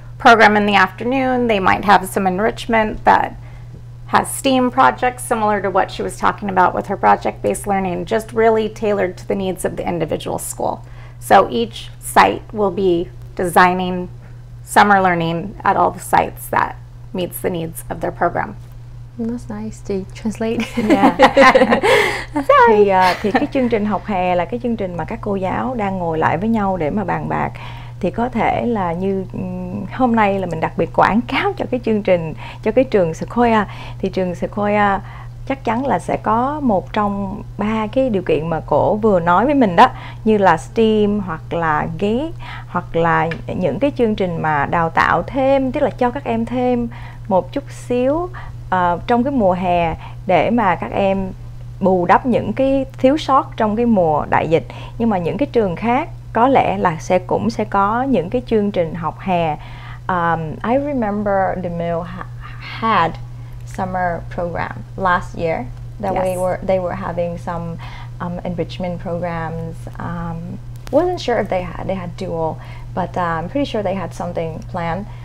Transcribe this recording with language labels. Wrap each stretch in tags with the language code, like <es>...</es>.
<en>program in the afternoon. They might have some enrichment that has STEAM projects similar to what she was talking about with her project-based learning, just really tailored to the needs of the individual school. So each site will be designing summer learning at all the sites that meets the needs of their program. That's nice to translate. Yeah.</en> <vi>thì cái chương trình học hè là cái chương trình mà các cô giáo đang ngồi lại với nhau để mà bàn bạc. Thì có thể là như hôm nay là mình đặc biệt quảng cáo cho cái chương trình, cho cái trường Sequoia. Thì trường Sequoia chắc chắn là sẽ có một trong ba cái điều kiện mà cổ vừa nói với mình đó, như là STEAM hoặc là GEE hoặc là những cái chương trình mà đào tạo thêm, tức là cho các em thêm một chút xíu trong cái mùa hè để mà các em bù đắp những cái thiếu sót trong cái mùa đại dịch. Nhưng mà những cái trường khác có lẽ là sẽ cũng sẽ có những cái chương trình học hè.</vi> <en>I remember the mill had summer program last year that yes. they were having some enrichment programs. Wasn't sure if they had dual, but I'm pretty sure they had something planned.</en>